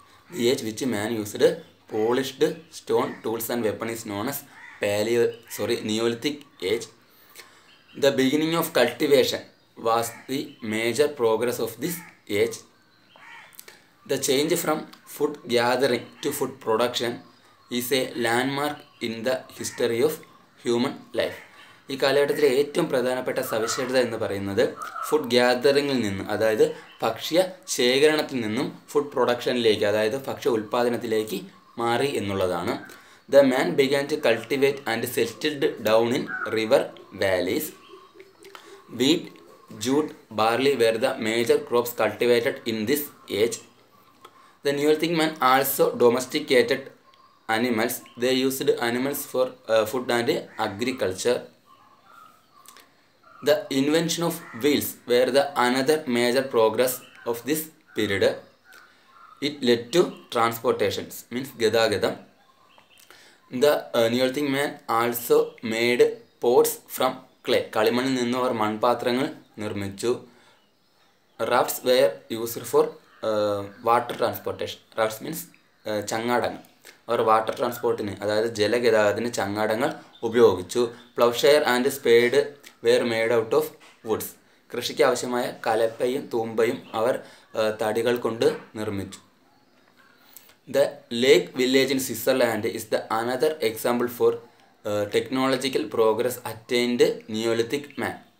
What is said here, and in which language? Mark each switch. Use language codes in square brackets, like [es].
[en] The age which man used polished stone tools and weapons is known as Neolithic age. The beginning of cultivation was the major progress of this age. The change from food gathering to food production is a landmark in the history of human life. [ml] ഈ കാലഘട്ടത്തിലെ ഏറ്റവും പ്രധാനപ്പെട്ട സവിശേഷത എന്ന് പറയുന്നത് food ഗ്യാദറിംഗിൽ നിന്ന് അതായത് ഭക്ഷ്യ ശേഖരണത്തിൽ നിന്നും ഫുഡ് പ്രൊഡക്ഷനിലേക്ക് അതായത് ഭക്ഷ്യ ഉൽപ്പാദനത്തിലേക്ക് മാറി എന്നുള്ളതാണ്. [en] The man began to cultivate and settled down in river valleys. Wheat jute barley were the major crops cultivated in this age. The neolithic man also domesticated animals. The used animals for food and agriculture. The invention of wheels were the another major progress of this period. It led to transportations, means gadagatham. The Neolithic man also made pots from clay. [ml] Kalimanil ninnu avar manpathrangal nirmichu. [en] Rafts were used for water transportation. Rafts means changadangal. [ml] Our water ട്രാൻസ്പോർട്ടിന് അതായത് ജലഗതാഗതത്തിന് ചങ്ങാടങ്ങൾ ഉപയോഗിച്ചു. [en] Ploughshare and spade were made out of woods. [ml] കൃഷിക്ക് ആവശ്യമായ കലപ്പയും തൂമ്പയും അവർ തടികൾ കൊണ്ട് നിർമ്മിച്ചു. [en] The lake village in Switzerland is the another example for technological progress attained neolithic man.